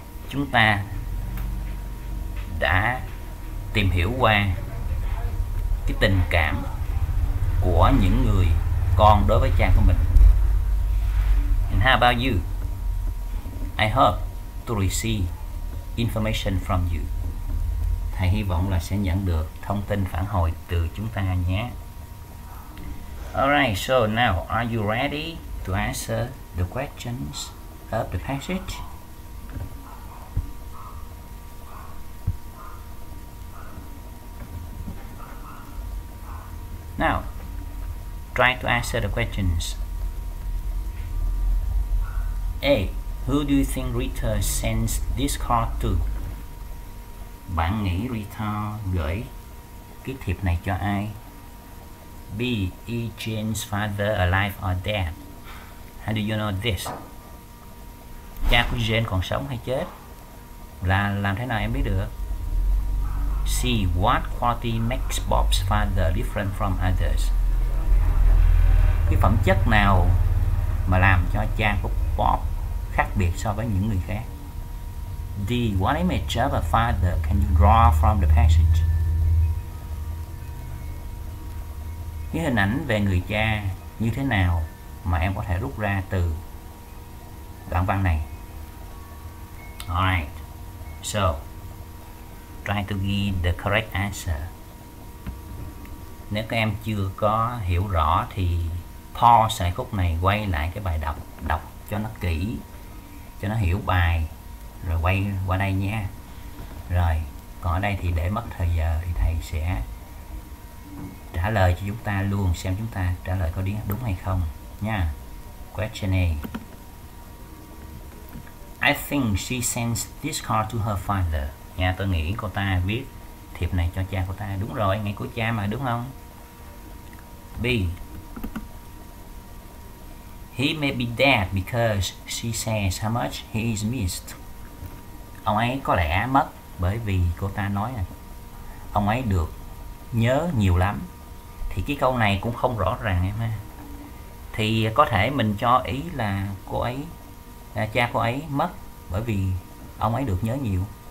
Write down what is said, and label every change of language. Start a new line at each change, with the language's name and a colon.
Vietnamese: Chúng ta đã tìm hiểu qua cái tình cảm của những người con đối với cha của mình.
English: And how about you? I hope to receive information from you.
Vietnamese: Thầy hy vọng là sẽ nhận được thông tin phản hồi từ chúng ta nhé.
English: Alright, so now, are you ready to answer the questions of the passage? Now, try to answer the questions. A. Who do you think Rita sends this card to?
Vietnamese: Bạn nghĩ Rita gửi cái thiệp này cho ai? B.
English: Is Jane's father alive or dead? How do you know this?
Vietnamese: Cha của Jane còn sống hay chết? Là làm thế nào em biết được?
English: C. What quality makes Bob's father different from others?
Vietnamese: Cái phẩm chất nào mà làm cho cha của Bob khác biệt so với những người khác?
English: D. What image of a father can you draw from the passage?
Vietnamese: Cái hình ảnh về người cha như thế nào mà em có thể rút ra từ đoạn văn này?
English: Alright, so try to give the correct answer.
Vietnamese: Nếu các em chưa có hiểu rõ thì pause sợi khúc này, quay lại cái bài đọc, đọc cho nó kỹ, cho nó hiểu bài, rồi quay qua đây nha. Rồi, còn ở đây thì để mất thời giờ thì thầy sẽ trả lời cho chúng ta luôn, xem chúng ta trả lời có đúng hay không nha.
English: Question A. I think she sends this card to her father.
Vietnamese: Nha, tôi nghĩ cô ta viết thiệp này cho cha cô ta. Đúng rồi, ngày của cha mà, đúng không?
English: B. He may be dead because she says how much he is missed.
Vietnamese: Ông ấy có lẽ mất bởi vì cô ta nói ông ấy được nhớ nhiều lắm. Thì cái câu này cũng không rõ ràng em ha. Thì có thể mình cho ý là cô ấy, cha cô ấy mất bởi vì ông ấy được nhớ nhiều.